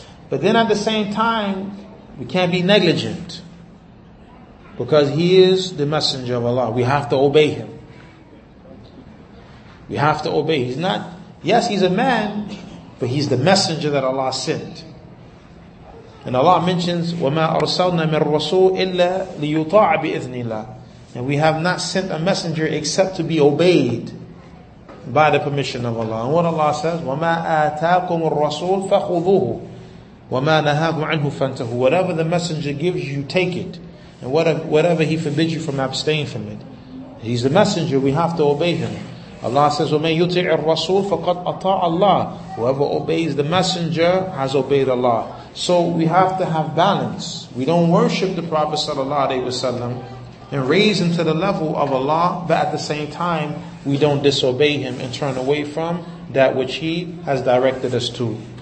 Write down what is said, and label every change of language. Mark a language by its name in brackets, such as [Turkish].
[English] But then at the same time, we can't be negligent, because he is the messenger of Allah. We have to obey him. We have to obey. He's not, yes, he's a man, but he's the messenger that Allah sent. And Allah mentions, [Arabic] وَمَا أَرْسَلْنَا مِنْ رَسُولٍ إِلَّا لِيُطَاعَ بِإِذْنِ اللَّهِ. [English] And we have not sent a messenger except to be obeyed by the permission of Allah. And what Allah says, [Arabic] وَمَا آتَاكُمُ الرَّسُولُ فَخُذُوهُ وَمَا نَهَاكُمْ عَنْهُ فَانْتَهُ. [English] Whatever the messenger gives you, take it. And whatever he forbids you from, abstain from it. He's the messenger, we have to obey him. Allah says, [Arabic] وَمَن يُطِعِ الرَّسُولَ فَقَدْ أَطَاعَ اللَّهَ. [English] Whoever obeys the messenger has obeyed Allah. So we have to have balance. We don't worship the Prophet sallallahu alaihi wasallam and raise him to the level of Allah, but at the same time, we don't disobey him and turn away from that which he has directed us to.